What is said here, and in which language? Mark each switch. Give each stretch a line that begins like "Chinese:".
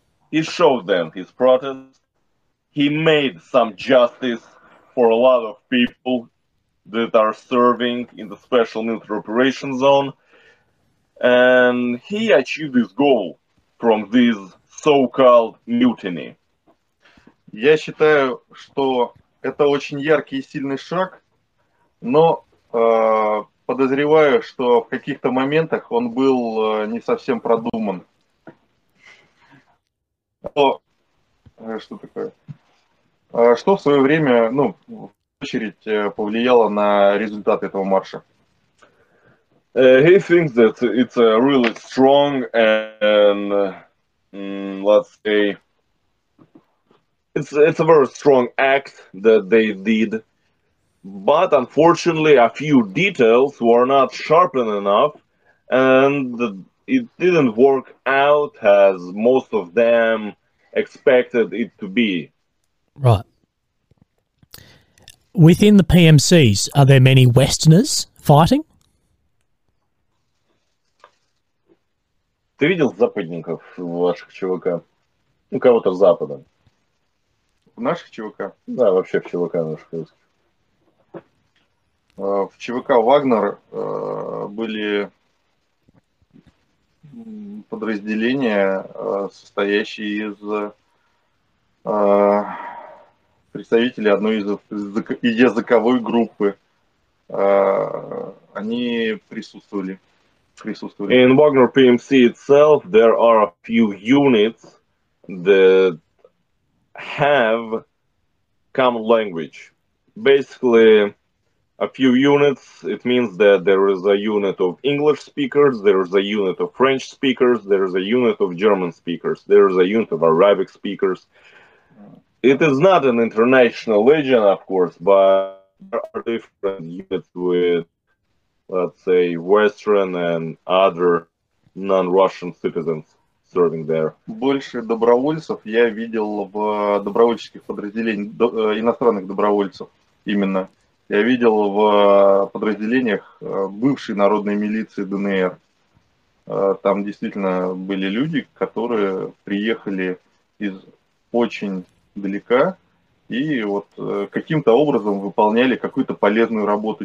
English: He showed them his protest. He made some justice for a lot of people that are serving in the special military operation zone. And he achieved his goal from this so-called mutiny.
Russian: Я считаю, что это очень яркий и сильный шаг, но подозреваю, что в каких-то моментах он был не совсем продуман. Но, что такое? Что в свое время, ну, в очередь, повлияло на результат этого марша?
English: He thinks that it's a really strong and let's say It's a very strong act that they did, but unfortunately a few details were not sharp enough and it didn't work out as most of them expected it to be. Right. Within the PMCs, are there many Westerners fighting?
Russian: Ты видел западников ваших ЧВК? Ну, кого-то с Запада. В наших ЧВК? Да, вообще в ЧВК наших. В ЧВК «Вагнер» были подразделения, состоящие из представителей одной из языковой группы. Они присутствовали.
English: In Wagner PMC itself, there are a few units that have common language. Basically, a few units, it means that there is a unit of English speakers, there is a unit of French speakers, there is a unit of German speakers, there is a unit of Arabic speakers. It is not an international legion, of course, but there are different units with, let's say, Western and other non-Russian citizens serving there.
Russian: Больше добровольцев я видел в добровольческих подразделениях, иностранных добровольцев именно. Я видел в подразделениях бывшей народной милиции ДНР. Там действительно были люди, которые приехали из очень далека и вот каким-то образом выполняли какую-то полезную работу.